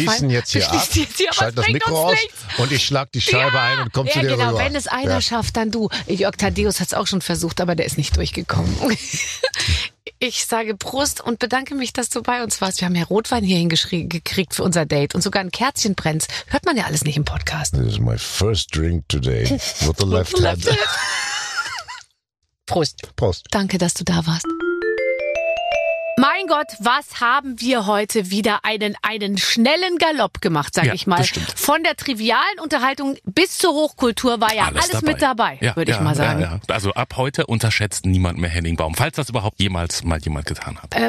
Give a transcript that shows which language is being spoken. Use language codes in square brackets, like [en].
[de] Wir schließen jetzt hier ab, schalten das Mikro aus und ich schlag die Scheibe ein und komm zu dir rüber. Wenn es einer schafft, dann du. Jörg Thaddäus hat es auch schon versucht, aber der ist nicht durchgekommen. Ich sage Prost und bedanke mich, dass du bei uns warst. Wir haben ja Rotwein hier hingekriegt für unser Date und sogar ein Kerzchenbrenz. Hört man ja alles nicht im Podcast. [en] This is my first drink today with the left hand. [de] Prost. Prost. Danke, dass du da warst. Mein Gott, was haben wir heute wieder einen schnellen Galopp gemacht, sag ich mal. Bestimmt. Von der trivialen Unterhaltung bis zur Hochkultur war ja alles dabei. Mit dabei, ja, würde ich mal sagen. Ja. Also ab heute unterschätzt niemand mehr Henning Baum, falls das überhaupt jemals mal jemand getan hat.